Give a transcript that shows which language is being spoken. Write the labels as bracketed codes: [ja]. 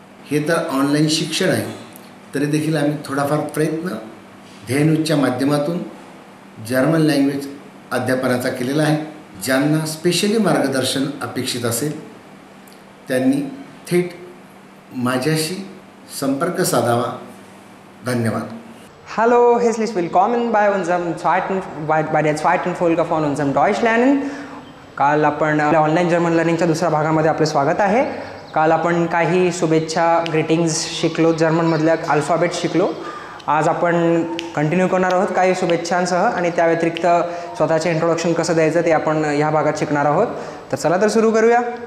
[mr] हे तर ऑनलाईन शिक्षण आहे, तरी देखील आम्ही थोडाफार प्रयत्न ध्येयन्यूजच्या माध्यमातून जर्मन लँग्वेज अध्यापनाचा केलेला आहे. ज्यांना स्पेशली मार्गदर्शन अपेक्षित असेल त्यांनी थेट माझ्याशी संपर्क साधावा. धन्यवाद. [de] Hallo, herzlich willkommen bei unserem zweiten bei der zweiten Folge von unserem Deutschlernen. [mr] काल आपण ऑनलाईन जर्मन लर्निंगच्या दुसऱ्या भागामध्ये आपलं स्वागत आहे. काल आपण काही शुभेच्छा ग्रीटिंग्स शिकलो, जर्मनमधल्या अल्फाबेट शिकलो. आज आपण कंटिन्यू करणार आहोत काही शुभेच्छांसह, आणि त्या व्यतिरिक्त स्वतःचे इंट्रोडक्शन कसं द्यायचं ते आपण ह्या भागात शिकणार आहोत. तर चला तर सुरू करूया.